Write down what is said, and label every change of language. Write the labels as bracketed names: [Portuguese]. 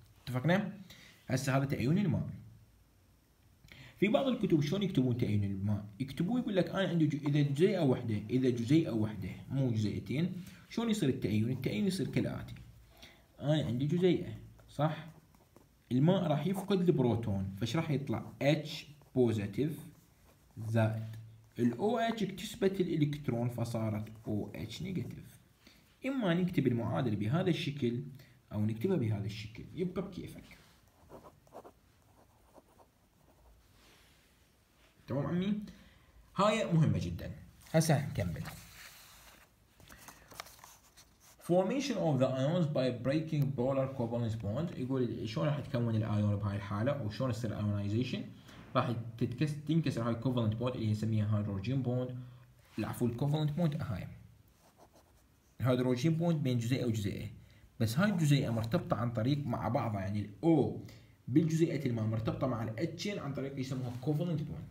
[Arabic] اتفقنا؟ هسه هذا تأيون الماء. في بعض الكتب شلون يكتبون تأيون الماء؟ يكتبوا يقول لك انا عندي اذا جزيئه واحده مو جزيئتين شلون يصير التأيون؟ التأيون يصير كالاتي، انا عندي جزيئه صح؟ الماء راح يفقد البروتون فش راح يطلع؟ H بوزيتيف زائد ال OH اكتسبت الإلكترون فصارت OH نيجاتيف. إما نكتب المعادلة بهذا الشكل أو نكتبها بهذا الشكل، يبقى بكيفك، تمام عمي؟ هاي مهمة جدا. هسا نكمل. [English] Formation of the ions by breaking polar covalent bond. [Arabic] يقول شلون راح تكون الايون بهاي الحالة أو شلون يصير ionization؟ راح تنكسر هاي covalent bond اللي نسميها hydrogen bond، العفو covalent bond هاي hydrogen bond بين جزيئة وجزيئة، بس هاي الجزيئة مرتبطة عن طريق مع بعضها، يعني ال O بالجزيئة الماء مرتبطة مع ال H عن طريق يسموها covalent bond.